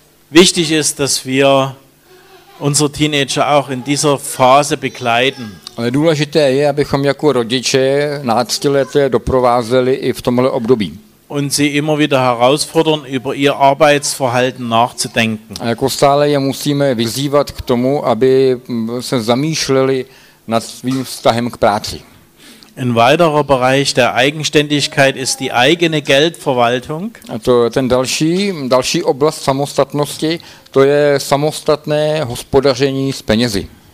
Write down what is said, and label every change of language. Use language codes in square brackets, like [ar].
[de] Wichtig ist, dass wir unsere Teenager auch in dieser Phase begleiten. [cs] Ale důležité je, abychom jako rodiče náctileté doprovázeli i v tomhle období. [de] Und sie immer wieder herausfordern, über ihr Arbeitsverhalten nachzudenken. [cs] A jako stále je musíme vyzývat k tomu, aby se zamýšleli nad svým vztahem k práci. [de] Ein weiterer Bereich der Eigenständigkeit ist die eigene Geldverwaltung. [cs] A to je ten další oblast samostatnosti, to je samostatné hospodaření s penězi.